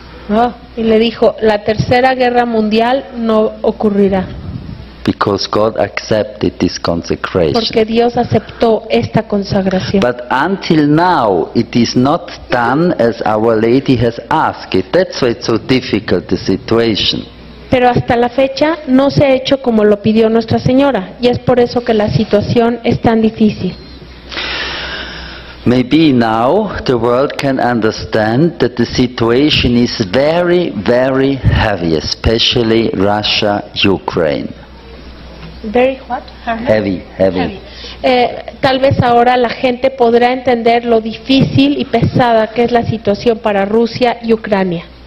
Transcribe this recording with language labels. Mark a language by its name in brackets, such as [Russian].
[Spanish] Oh, y le dijo, la tercera guerra mundial no ocurrirá. [English] Because God accepted this consecration. [Spanish] Porque Dios aceptó esta consagración. [English] But until now, it is not done as Our Lady has asked it. That's why it's so difficult, the situation. [Spanish] Pero hasta la fecha no se ha hecho como lo pidió Nuestra Señora, y es por eso que la situación es tan difícil. [English] Maybe now the world can understand that the situation is very, very heavy, especially Russia, Ukraine. Very what? Heavy, heavy. [Spanish] Tal vez ahora la gente podrá entender lo difícil y pesada que es la situación para Rusia y Ucrania.